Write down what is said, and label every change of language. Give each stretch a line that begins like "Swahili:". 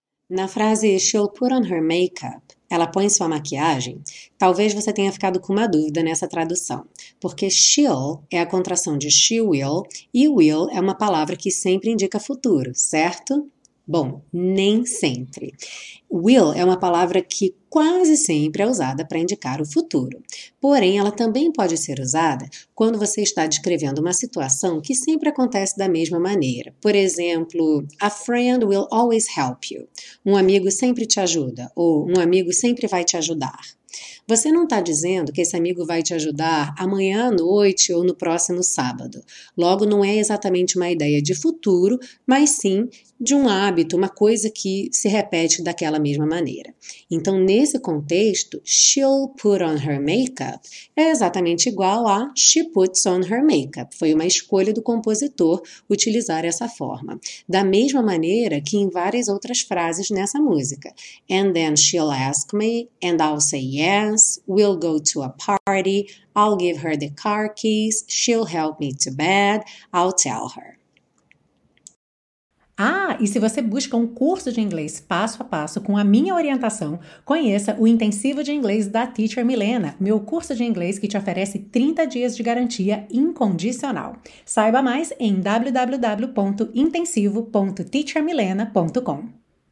Portuguese: Na frase
English: She'll put on her makeup,
Portuguese: ela põe sua maquiagem, talvez você tenha ficado com uma dúvida nessa tradução, porque she'll é a contração de
English: she will
Portuguese: e will é uma palavra que sempre indica futuro, certo? Bom, nem sempre. Will é uma palavra que quase sempre é usada para indicar o futuro. Porém, ela também pode ser usada quando você está descrevendo uma situação que sempre acontece da mesma maneira. Por exemplo,
English: a friend will always help you.
Portuguese: Um amigo sempre te ajuda. Ou um amigo sempre vai te ajudar. Você não está dizendo que esse amigo vai te ajudar amanhã à noite ou no próximo sábado. Logo, não é exatamente uma ideia de futuro, mas sim de um hábito, uma coisa que se repete daquela mesma maneira. Então, nesse contexto,
English: she'll put on her makeup
Portuguese: é exatamente igual a
English: she puts on her makeup.
Portuguese: Foi uma escolha do compositor utilizar essa forma. Da mesma maneira que em várias outras frases nessa música.
English: And then she'll ask me, and I'll say yes, we'll go to a party, I'll give her the car keys, she'll help me to bed, I'll tell her.
Portuguese: Ah, e se você busca um curso de inglês passo a passo com a minha orientação, conheça o Intensivo de Inglês da Teacher Milena, meu curso de inglês que te oferece 30 dias de garantia incondicional. Saiba mais em www.intensivo.teachermilena.com.